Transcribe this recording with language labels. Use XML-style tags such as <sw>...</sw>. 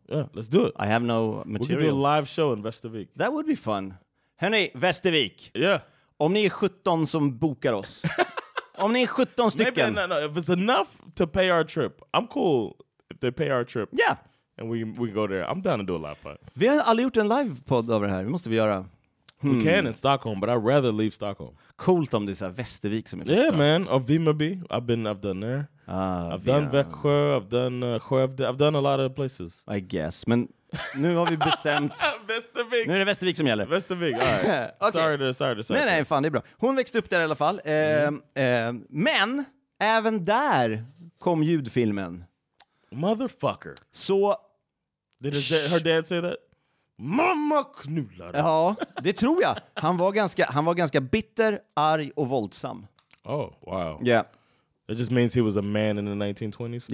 <en>Yeah, let's do it. I have no material. We could do a live show in Västervik. That would be fun.</en> <sv>Hörrni,</sv> <en>Västervik. Yeah.</en> <sv>Om ni är 17 som bokar oss. Om ni är 17 stycken.</sv> <en>Maybe, no, if it's enough to pay our trip. I'm cool if they pay our trip. Yeah. And we go there. I'm down to do a live pod.</en> <sv>Vi har aldrig gjort en live pod över här. Det måste vi göra.</sv> <en>We can in Stockholm, but I'd rather leave Stockholm.</en> <sv>Coolt om det är så här Västervik som är</sv> <en>första. Yeah, man. Och Vimmerby. I've done there. I've done Växjö. I've done Skövde. I've done a lot of places. I guess.</en> <sv>Men nu har vi bestämt. Västervik. Nu är det Västervik som gäller.</sv> <en>Västervik, all right. Okay. Sorry to</en> <sv>nej, nej, fan, det är bra. Hon växte upp där i alla fall. Men även där kom ljudfilmen.</sv> <en>Motherfucker.</en> <sv>Så.</sv> <en>Did her dad say that?</en> <sv>Mamma knullar. Ja, det tror jag. Han var ganska bitter, arg och våldsam.</sv> <en>Oh, wow. Yeah. It just means he was a man in the 1920s.</en>